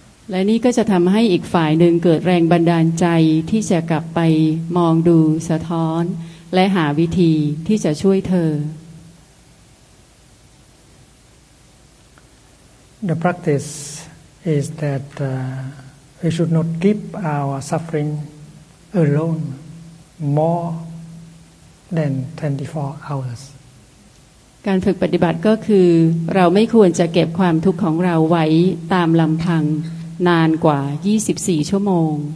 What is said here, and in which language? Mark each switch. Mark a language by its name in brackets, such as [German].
[Thai] และนี่ก็จะทำให้อีกฝ่ายหนึ่งเกิดแรงบันดาลใจที่จะกลับไปมองดูสะท้อนและหาวิธีที่จะช่วยเธอ [English] The practice is that we should not keep our suffering alone more than 24 hours [Thai] การฝึกปฏิบัติก็คือเราไม่ควรจะเก็บความทุกข์ของเราไว้ตามลำพังนานกว่า24ชั่วโมง